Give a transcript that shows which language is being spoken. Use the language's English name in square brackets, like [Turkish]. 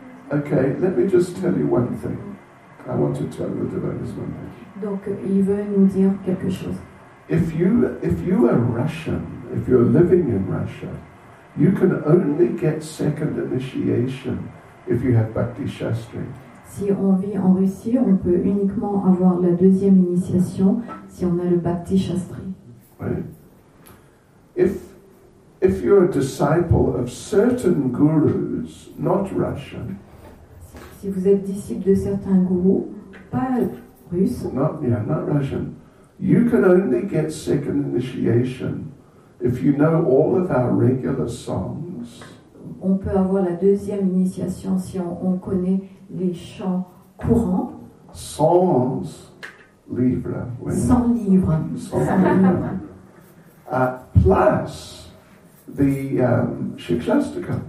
[English] Okay, let me just tell you one thing. I want to tell the devotees one thing. [French] Donc, il veut nous dire quelque chose. [English] If you are Russian, if you're living in Russia, you can only get second initiation if you have Bhakti Shastri. [French] Si on vit en Russie, on peut uniquement avoir la deuxième initiation si on a le Bhakti Shastri. [English] If you're a disciple of certain gurus, not Russian. [French] Si vous êtes disciple de certains gurus, pas russe. [English] Not Russian. You can only get second initiation if you know all of our regular songs. [French] On peut avoir la deuxième initiation si on connaît les chants courants. Songs, livres. Oui. 100 livres. 100 livres. [English] Plus. The Shikshastaka.